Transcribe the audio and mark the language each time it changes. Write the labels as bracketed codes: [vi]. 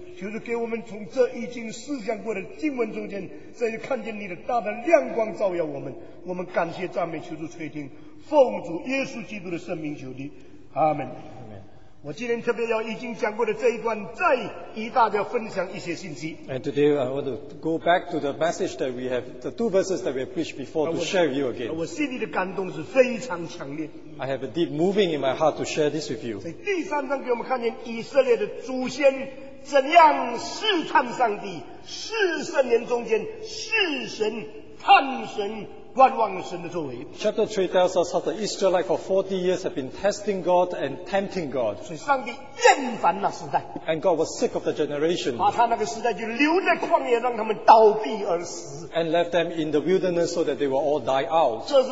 [zh] 求主给我们从这已经思想过的经文中间，再看见你的大的亮光照耀我们。我们感谢赞美，求主垂听，奉主耶稣基督的圣名求你，阿门。我今天特别要已经讲过的这一段再与大家分享一些信息。 [en] And today I want to go back to the message that we have, the two verses that we have preached before to share with you again. [zh] 我心里的感动是非常强烈。 [en] I have a deep moving in my heart to share this with you. [zh] 在第三章给我们看见以色列的祖先怎样试探上帝，四圣年中间试神探神。 [en] Chapter 3 tells us how the Israelites for 40 years have been testing God and tempting God. And God was sick of the generation. And left them in the wilderness so that they will all die out.